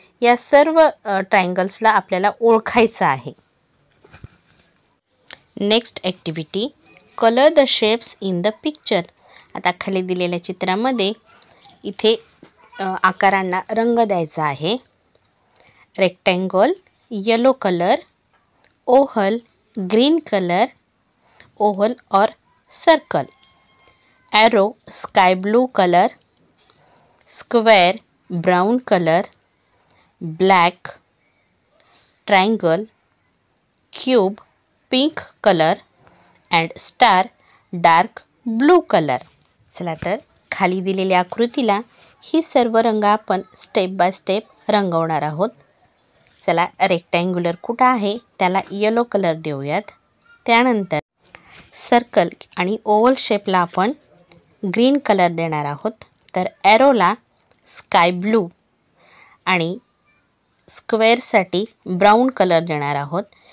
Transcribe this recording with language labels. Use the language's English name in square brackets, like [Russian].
[Marathi] या सर्व ट्रायंगल्सला आपल्याला ओळखायचं आहे. [English] Next activity. Colour the shapes in the picture. [Marathi] आता खाली दिलेल्या चित्रामध्ये इथे आकारांना रंग द्यायचा आहे. [English] Rectangle yellow colour, oval green colour, oval और circle, arrow sky blue colour, square brown colour, black, triangle, cube pink colour and star dark blue colour. [Marathi] चला तर खाली दिलेल्या आकृतीला ही सर्व रंग आपण स्टेप बाय स्टेप रंगवणार आहोत. चला रेक्टँग्युलर कुठं आहे त्याला येलो कलर देऊयात, त्यानंतर सर्कल आणि ओवल शेपला आपण ग्रीन कलर देणार आहोत, तर ॲरोला स्काय ब्लू आणि स्क्वेअरसाठी ब्राऊन कलर देणार आहोत.